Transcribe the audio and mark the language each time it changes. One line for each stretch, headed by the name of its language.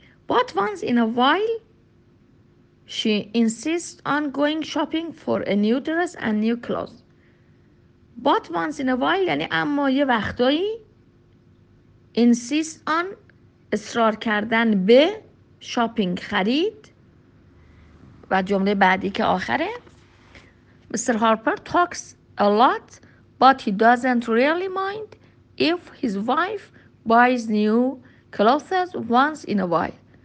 English: But once in a while she insists on going shopping for a new dress and new clothes. But once in a while
Persian: یعنی اما یه وقتایی
English: insist on
Persian: اصرار کردن به شاپینگ خرید و جمله بعدی که آخره Mr.
English: Harper talks a lot but he doesn't really mind if his wife buys new clothes once in a while.